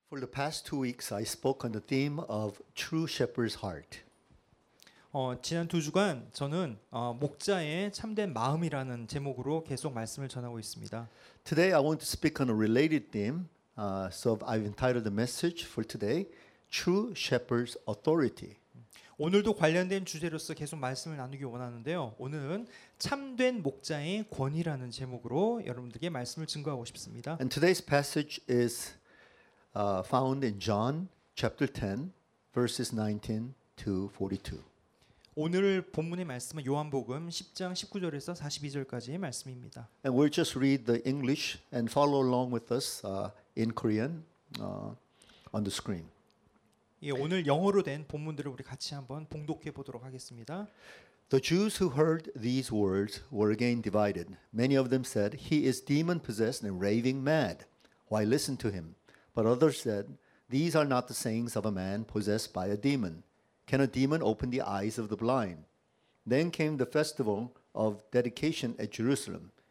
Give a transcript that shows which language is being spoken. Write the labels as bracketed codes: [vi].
[en] For the past 2 weeks, I spoke on the theme of true shepherd's heart. [ko] 지난 두 주간 저는 목자의 참된 마음이라는 제목으로 계속 말씀을 전하고 있습니다. [en] Today I want to speak on a related theme. So I've entitled the message for today, True Shepherd's Authority. [ko] 오늘도 관련된 주제로서 계속 말씀을 나누기 원하는데요. 오늘은 참된 목자의 권위라는 제목으로 여러분들께 말씀을 증거하고 싶습니다. [en] And today's passage is found in John chapter 10, verses 19 to 42. [ko] 오늘 본문의 말씀은 요한복음 10장 19절에서 42절까지의 말씀입니다. [en] And we'll just read the English and follow along with us in Korean on the screen. [ko] 예, 오늘 영어로 된 본문들을 우리 같이 한번 봉독해 보도록 하겠습니다. [en] The Jews who heard these words were again divided. Many of them said, "He is demon-possessed and raving mad. Why listen to him?" But others said, "These are not the sayings of a man possessed by a demon. Can a demon open the eyes of the blind?" Then came the festival of dedication at Jerusalem.